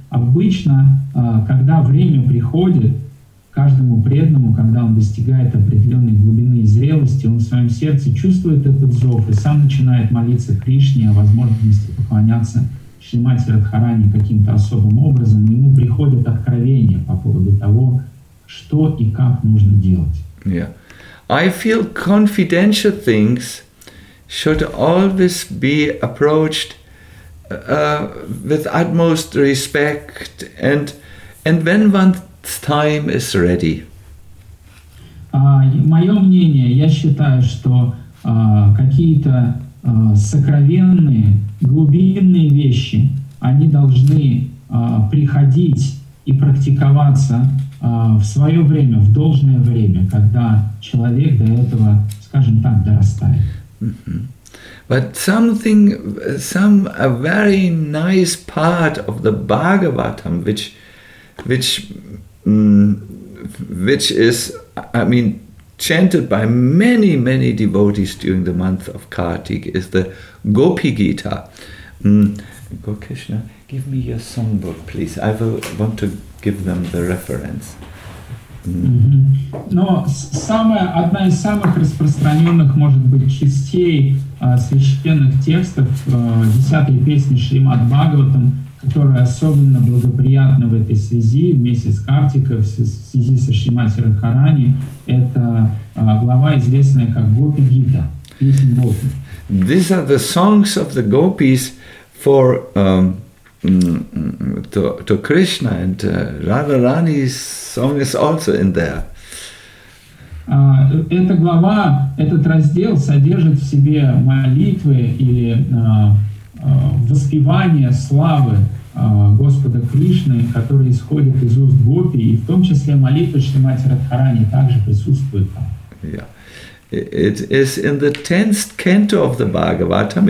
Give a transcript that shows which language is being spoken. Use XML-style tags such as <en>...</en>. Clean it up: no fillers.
<ru>Обычно, когда время приходит каждому преданному, когда он достигает определенной глубины и зрелости, он в своем сердце чувствует этот зов и сам начинает молиться Кришне о возможности поклоняться Шримати Радхарани каким-то особым образом, ему приходят откровения по поводу того, что и как нужно делать.</ru> <en>Yeah. I feel confidential things should always be approached with utmost respect and when one's time is ready.</en> <ru>Мое мнение, я считаю, что какие-то сокровенные, глубинные вещи, они должны приходить и практиковаться в свое время, в должное время, когда человек до этого, скажем так, дорастает.</ru> <en>But a very nice part of the Bhagavatam, which is, I mean, chanted by many, many devotees during the month of Kartik, is the Gopi Gita. Gokishna, give me your songbook, please. I will want to give them the reference.</en> <ru>Но одна из самых распространенных, может быть, частей священных текстов десятой песни Шримад Бхагаватам, которая особенно благоприятна в этой связи, в месяц Картика, в связи со Шримати Радхарани, это глава, известная как Гопи Гита, песня Гопи.</ru> <en>These are the songs of the gopis for to Krishna, and Radharani's song is also in there.</en> <ru>Эта глава, этот раздел содержит в себе молитвы или воспевание славы Господа Кришны, которые исходят из уст Гопи, и в том числе молитвы Шримати Радхарани также присутствуют там.</ru> <en>Yeah. It is in the 10th canto of the Bhagavatam.</en>